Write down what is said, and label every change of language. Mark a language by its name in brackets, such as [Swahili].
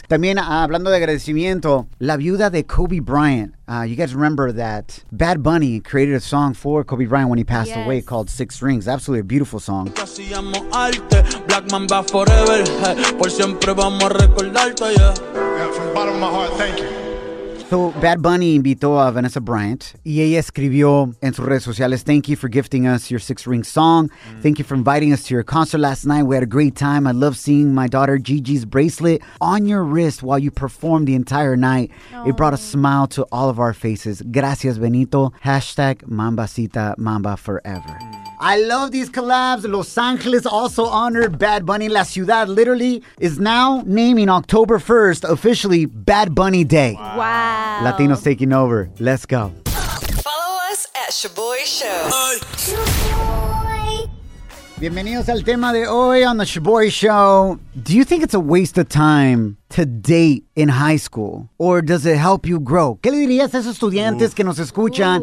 [Spanish] También hablando de agradecimiento, la viuda de Kobe Bryant. [English] You guys remember that Bad Bunny created a song for Kobe Bryant when he passed yes. away called Six Rings. Absolutely a beautiful song. Black Mamba forever. [Spanish] Por siempre vamos a recordarte. [English] Yeah, from the bottom of my heart, thank you. So Bad Bunny [Spanish] invitó a Vanessa Bryant y ella escribió en sus redes sociales, [English] thank you for gifting us your Six Ring song. Mm-hmm. Thank you for inviting us to your concert last night. We had a great time. I love seeing my daughter Gigi's bracelet on your wrist while you performed the entire night. Oh. It brought a smile to all of our faces. [Spanish] Gracias, Benito. Hashtag Mambacita Mamba forever. [English] I love these collabs. Los Angeles also honored Bad Bunny. La Ciudad literally is now naming October 1st officially Bad Bunny Day. Wow. Latinos taking over. Let's go. Follow us at Shaboy Show. Shaboy. [Spanish] Bienvenidos al tema de hoy [English] on the [Spanish] Shaboy Show. [English] Do you think it's a waste of time to date in high school? Or does it help you grow? [Spanish] ¿Qué le dirías a esos estudiantes que nos escuchan?